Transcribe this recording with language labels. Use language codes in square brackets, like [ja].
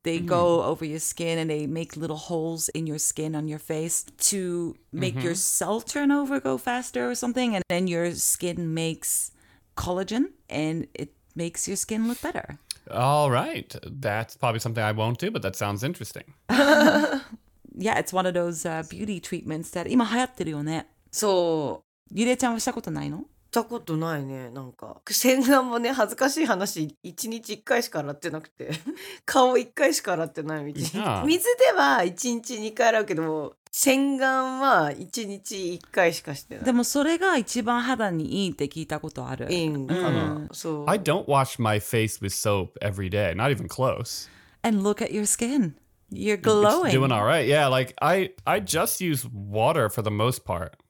[en] They go over your skin and they make little holes in your skin on your face to make your cell turnover go faster or something. And then your skin makes collagen and it makes your skin look better. All right. That's probably something I won't do, but that sounds interesting. Yeah, it's one of those beauty treatments that [ja] 今流行ってるよね。そう。ゆれちゃんはしたことないの？たことないね。なんか洗顔もね、恥ずかしい話、1日1回しか洗ってなくて顔1回しか洗ってないみたいな。水では1日2回洗うけど、洗顔は1日1回しかしてない。でもそれが一番肌にいいって聞いたことある。いいんかな。そう。 [en] I don't wash my face with soap every day, not even close. And look at your skin. You're glowing. It's doing all right. Yeah, like I just use water for the most part.